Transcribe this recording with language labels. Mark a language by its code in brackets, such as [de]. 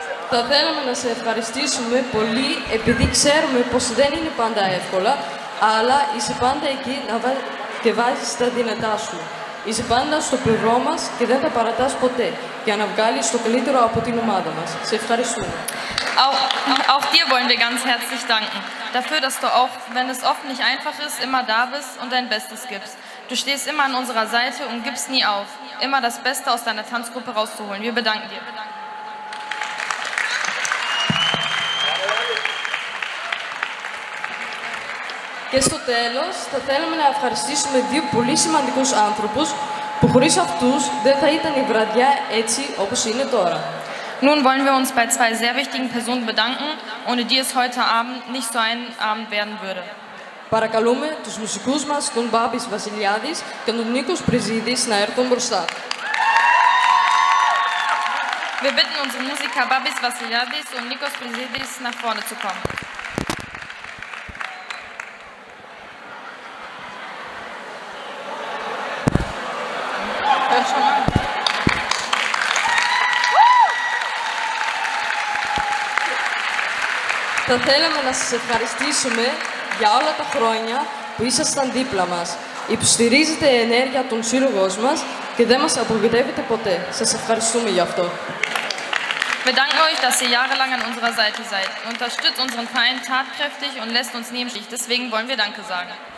[el] Θα θέλαμε να σε ευχαριστήσουμε πολύ, επειδή ξέρουμε πως δεν είναι πάντα εύκολα, αλλά είσαι πάντα εκεί να βάζεις τα δυνατά σου. Είσαι πάντα στο πλευρό μας και δεν θα παρατάς ποτέ, για να βγάλεις το καλύτερο από την ομάδα μας. Σε ευχαριστούμε. [de] Auch dir wollen wir ganz herzlich danken. Dafür, dass du auch, wenn es oft nicht einfach ist, immer da bist und dein Bestes gibst. Du stehst immer an unserer Seite und gibst nie auf, immer das Beste aus deiner Tanzgruppe rauszuholen. Wir bedanken dir. [el] Και στο τέλος, θα θέλαμε να ευχαριστήσουμε δύο πολύ σημαντικούς άνθρωπους που χωρίς αυτούς δεν θα ήταν η βραδιά έτσι όπως είναι τώρα. [de] Nun wollen wir uns bei zwei sehr wichtigen Personen bedanken, ohne die es heute Abend nicht so ein Abend werden würde. [el] Παρακαλούμε τους μουσικούς μας, τον Μπάμπης Βασιλιάδης και τον Νίκος Πριζίδης να έρθουν μπροστά. [de] Wir bitten unsere Musiker Μπάμπης Βασιλιάδης und Νίκος Πριζίδης nach vorne zu kommen. [el] Θα θέλαμε να σας ευχαριστήσουμε για όλα τα χρόνια που ήσασταν δίπλα μας. Υποστηρίζετε ενέργεια τον σύλλογό μας και δεν μας απογοητεύετε ποτέ. Σας ευχαριστούμε γι' αυτό. [de] Wir danken euch, dass ihr jahrelang an unserer Seite seid. Unterstützt unseren Verein tatkräftig und lässt uns nie im Stich. Deswegen wollen wir Danke sagen.